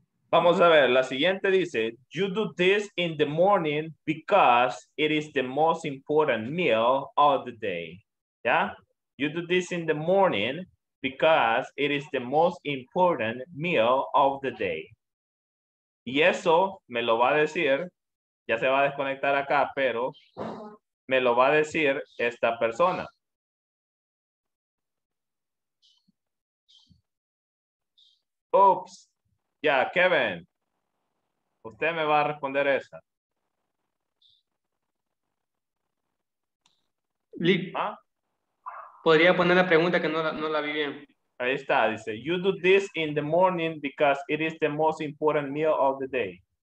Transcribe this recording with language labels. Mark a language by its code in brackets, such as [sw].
[es] Vamos a ver, la siguiente dice, [en] you do this in the morning because it is the most important meal of the day. ¿Ya? You do this in the morning because it is the most important meal of the day. [es] Y eso me lo va a decir, ya se va a desconectar acá, pero me lo va a decir esta persona. Oops. Ya, yeah, Kevin. Usted me va a responder esa. Lee. ¿Ah? Podría poner la pregunta que no la vi bien. Ahí está, dice, [en] you do this in the morning because it is the most important meal of the day.